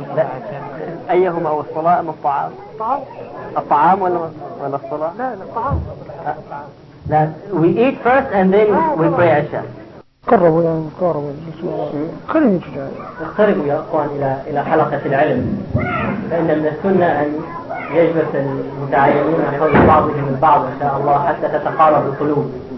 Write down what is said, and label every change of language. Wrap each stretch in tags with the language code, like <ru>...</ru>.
<ar>لا أيهما أو الصلاة أم الطعام؟ الطعام ولا الصلاة؟ لا الطعام.</ar> <en>لا we eat first and then we pray عشاء.</en> <ar>قربوا يا قربوا خليني أتجاهل. اقتربوا يا أخوان إلى حلقة العلم، لأن من السنة أن يجلس المتعلمون عن حول بعضهم البعض إن شاء الله حتى تتقارب القلوب.</ar>